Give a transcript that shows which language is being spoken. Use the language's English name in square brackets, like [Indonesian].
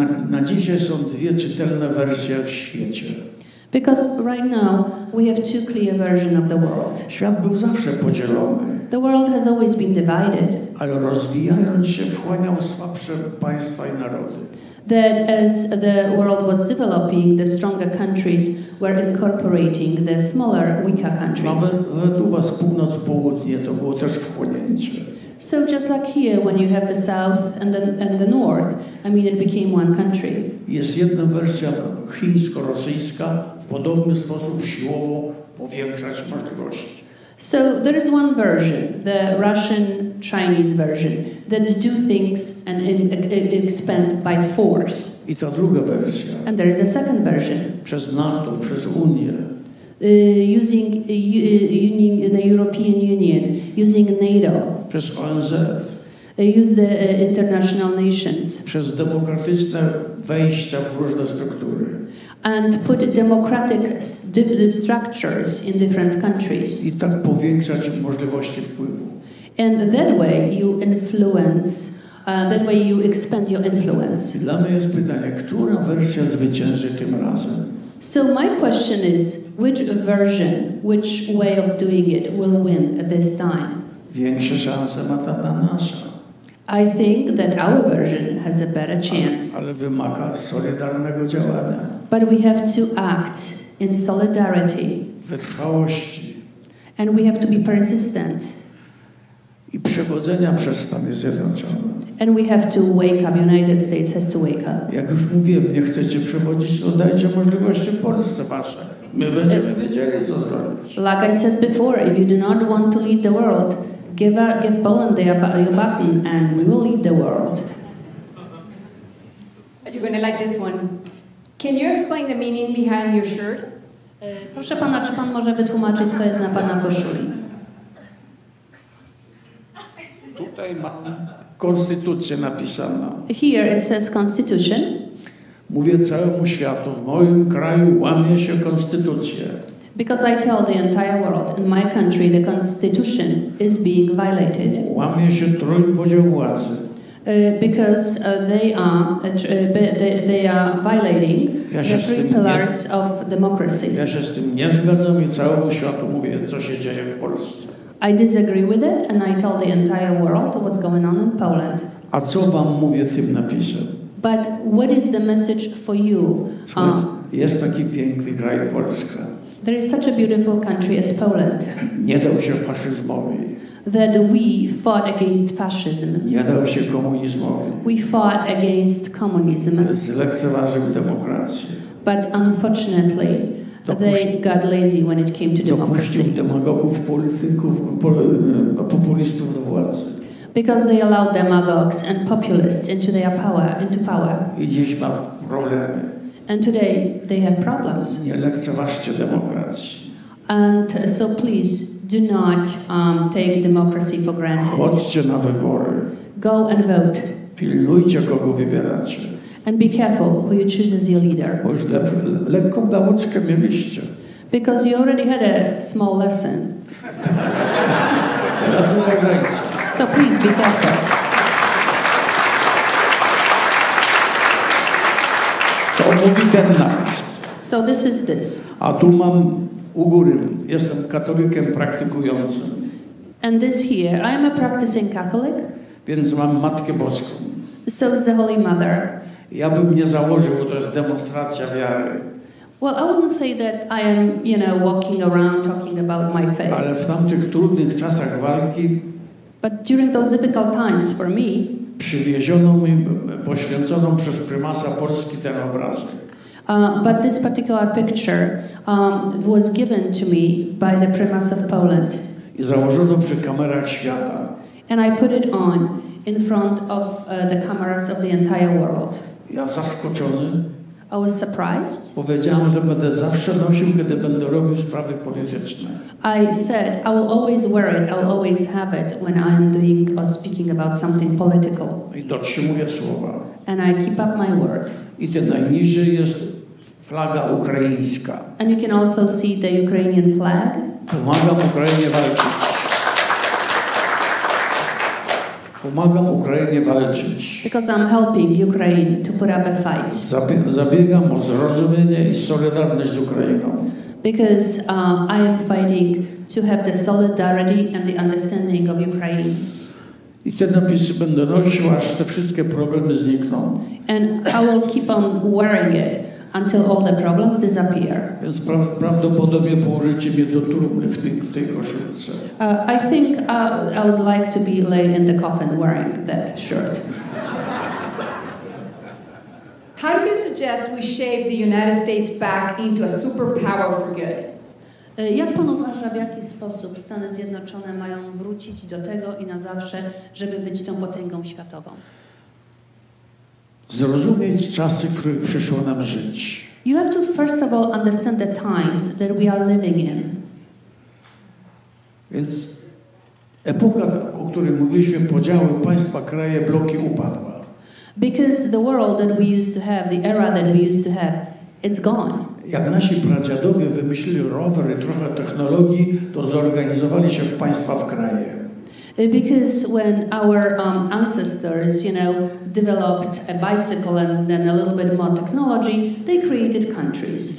[Polish] Na dzisiaj są dwie czytelne wersje w świecie. [English] Because right now, we have two clear versions of the world. [Polish] Świat był zawsze podzielony. [English] The world has always been divided. [Polish] Ale rozwijając się, wchłaniał słabsze państwa i narody. [English] That as the world was developing, the stronger countries were incorporating the smaller, weaker countries. [Polish] Nawet u was północ, południe, to było też wchłonięcie. [English] So just like here, when you have the south and the north, I mean, it became one country. [Polish] Jest jedna wersja chińsko-rosyjska, w podobny sposób siłowo powiększać możliwości. [English] So there is one version, the Russian-Chinese version, that do things and expand by force. [Polish] I ta druga wersja. [English] And there is a second version. [Polish] Przez NATO, przez Unię. [English] using the European Union, using NATO, [Polish] przez ONZ, [English] use the international nations, [Polish] przez demokratyczne wejścia w różne struktury, [English] and put democratic structures in different countries. [Polish] I tak powiększać możliwości wpływu. [English] And that way you influence, that way you expand your influence. [Polish] Dla mnie jest pytanie, która wersja zwycięży tym razem? [English] So my question is, which version, which way of doing it will win this time? [Polish] Większe szanse ma ta na nasza. [English] I think that our version has a better chance. [Polish] Ale wymaga solidarnego działania. [English] But we have to act in solidarity. [Polish] Wytrwałości. [English] And we have to be persistent. [Polish] I przewodzenia przez Stany Zjednoczone. [English] And we have to wake up, United States has to wake up. [Polish] Jak już mówiłem, nie chcecie przewodzić, to dajcie możliwości Polsce wasze. My będziemy wiedzieli, co zrobić. [English] Like I said before, if you do not want to lead the world, give Poland the button and we will lead the world. Are you going to like this one? Can you explain the meaning behind your shirt? [Polish] Proszę pana, czy pan może wytłumaczyć, co jest na pana koszuli? Tutaj mam konstytucję napisaną. [English] Here it says constitution. [Polish] Mówię całemu światu, w moim kraju łamie się konstytucję. [English] Because I tell the entire world, in my country the constitution is being violated. [Polish] Łamie się trójpodział władzy. [English] Because they are violating [Polish] ja [English] the three pillars of democracy. [Polish] Ja się z tym nie zgadzam i całemu światu mówię, co się dzieje w Polsce. [English] I disagree with it, and I tell the entire world what's going on in Poland. [Polish] A co wam mówię tym napisem? [English] But what is the message for you? [Polish] Jest taki piękny kraj Polska. [English] There is such a beautiful country as Poland. [Polish] Nie dał się faszyzmowi. [English] That we fought against fascism. [Polish] Nie dał się komunizmowi. [English] We fought against communism. [Polish] Zlekceważył demokrację. [English] But unfortunately, they got lazy when it came to democracy. [Polish] Demagogów, polityków, populistów do władzy. [English] Because they allowed demagogues and populists into their power, into power. [Polish] I dziś ma problemy. [English] And today they have problems. [Polish] Nie lekceważcie demokracji. [English] And so please do not take democracy for granted. [Polish] Chodźcie na wybory. [English] Go and vote. [Polish] Pilnujcie, kogo wybieracie. [English] And be careful who you choose as your leader. [Polish] Lekką nauczkę mieliście. [English] Because you already had a small lesson. [Polish] Teraz uważajcie. [English] So please be careful. [Polish] To mówi ten nas. [English] So this is this. [Polish] A tu mam u góry. Jestem katolikiem praktykującym. [English] And this here. I am a practicing Catholic. [Polish] Więc mam Matkę Boską. [English] So is the Holy Mother. [Polish] Ja bym nie założył, bo to jest demonstracja wiary. [English] Well, I wouldn't say that I am, you know, walking around talking about my faith. [Polish] Ale w tamtych trudnych czasach walki. [English] But during those difficult times for me. [Polish] Przywieziono mi poświęconą przez prymasa Polski ten obrazek. [English] But this particular picture was given to me by the prymas of Poland. [Polish] I założono przy kamerach świata. [English] And I put it on in front of the cameras of the entire world. [Polish] Ja zaskoczony. [English] I was surprised. [Polish] Powiedziałem, że będę zawsze nosił, kiedy będę robił sprawy polityczne. [English] I said, I will always wear it, I will always have it when I am doing or speaking about something political. [Polish] I dotrzymuję słowa. [English] And I keep up my word. [Polish] I ten najniżej jest flaga ukraińska. [English] And you can also see the Ukrainian flag. [Polish] Pomagam Ukrainie walczyć. Pomagam Ukrainie walczyć. [English] Because I'm helping Ukraine to put up a fight. [Polish] Zabiegam o zrozumienie i solidarność z Ukrainą. [English] Because I am fighting to have the solidarity and the understanding of Ukraine. [Polish] I te napisy będę nosił, aż te wszystkie problemy znikną. [English] And I will keep on wearing it until all the problems disappear. [Polish] Więc prawdopodobnie położycie mnie do trumny w tej koszulce. [English] I think I would like to be laid in the coffin wearing that shirt. How do you suggest we shape the United States back into a superpower for good? [Polish] Jak pan uważa, w jaki sposób Stany Zjednoczone mają wrócić do tego i na zawsze, żeby być tą potęgą światową? Zrozumieć czasy, w których przyszło nam żyć. [English] You have to, first of all, understand the times that we are living in. [Polish] Więc epoka, o której mówiliśmy, podziały państwa, kraje, bloki upadła. [English] Because the world that we used to have, the era that we used to have, it's gone. [Polish] Jak nasi pradziadowie wymyślili rowery, trochę technologii, to zorganizowali się w państwa, w kraje. [English] Because when our ancestors, you know, developed a bicycle and then a little bit more technology, they created countries.